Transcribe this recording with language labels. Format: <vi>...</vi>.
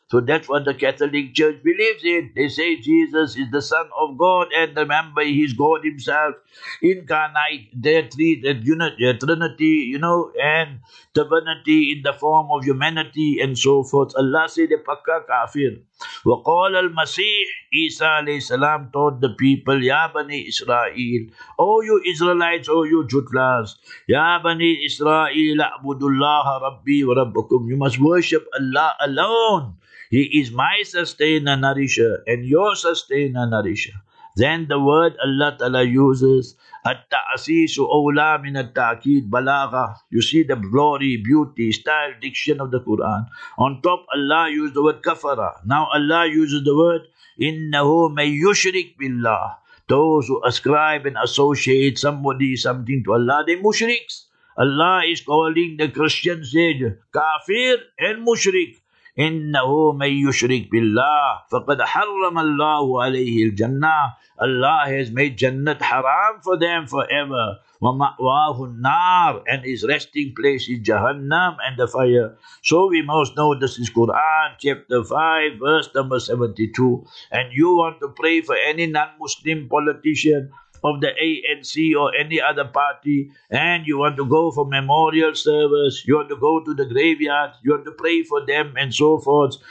<en>So that's what the Catholic Church believes in. They say Jesus is the son of God. And remember, he's God himself. Incarnate, Trinity, you know, and divinity in the form of humanity and so forth. Allah said, Pakka kafir.</en> <ar>وقال المسيح عيسى عليه السلام</ar> <en>told the people</en> <ar>يا بني إسرائيل</ar> <en>Oh you Israelites, oh you Jutlas</en> <ar>يا بني إسرائيل اعبدوا الله ربي وربكم</ar> <en>You must worship Allah alone. He is my sustainer, nourisher, and your sustainer, nourisher. Then the word Allah Ta'ala uses</en> <ar>At-ta'asisu awla min at-ta'akid balagha.</ar> <en>You see the glory, beauty, style, diction of the Quran. On top, Allah used the word kafara. Now Allah uses the word</en> <ar>innahu may yushrik billah.</ar> <en>Those who ascribe and associate somebody, something to Allah, they mushriks. Allah is calling the Christians here kafir and mushrik.</en> <ar>إِنَّهُ مَنْ يُشْرِكْ بِاللَّهِ فَقَدْ حَرَّمَ اللَّهُ عَلَيْهِ الْجَنَّةِ</ar> <en>Allah has made Jannat haram for them forever.</en> <ar>وَمَأْوَاهُ النَّارِ</ar> <en>And his resting place is Jahannam and the fire. So we must know this is Quran chapter 5 verse number 72. And you want to pray for any non-Muslim politician, of the ANC or any other party, and you want to go for memorial service, you want to go to the graveyard, you want to pray for them and so forth.</en>